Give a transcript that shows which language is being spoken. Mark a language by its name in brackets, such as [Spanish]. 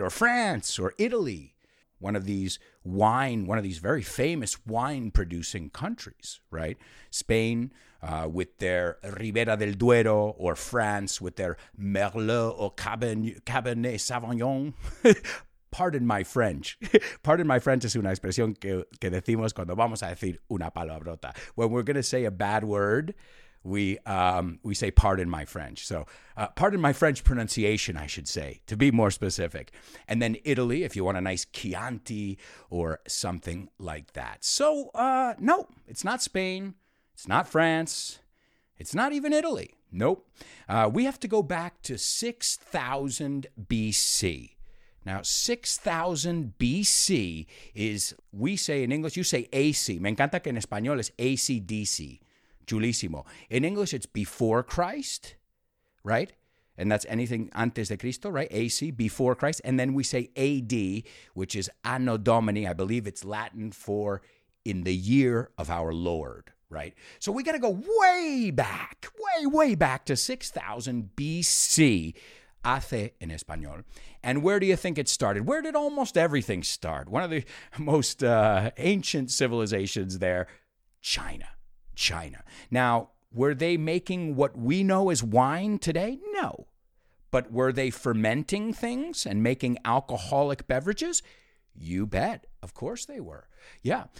[English] Or France or Italy, one of these very famous wine-producing countries, right? Spain with their Ribera del Duero, or France with their Merlot or Cabernet Sauvignon. Pardon my French. Pardon my French is [Spanish] una expresión que decimos cuando vamos a decir una palabrota. [English] When we're going to say a bad word, we say pardon my French. So pardon my French pronunciation, I should say, to be more specific. And then Italy, if you want a nice Chianti or something like that. So no, it's not Spain. It's not France. It's not even Italy. Nope. We have to go back to 6000 BC. Now, 6000 BC is, we say in English, you say AC. [Spanish] Me encanta que en español es ACDC. Chulísimo. [English] In English, it's before Christ, right? And that's anything [Spanish] antes de Cristo, [English] right? AC, before Christ. And then we say AD, which is Anno Domini. I believe it's Latin for in the year of our Lord, right? So we got to go way back to 6000 BC, [Spanish] hace en español. [English] And where do you think it started? Where did almost everything start? One of the most ancient civilizations there, China. China. Now, were they making what we know as wine today? No. But were they fermenting things and making alcoholic beverages? You bet. Of course they were. Yeah.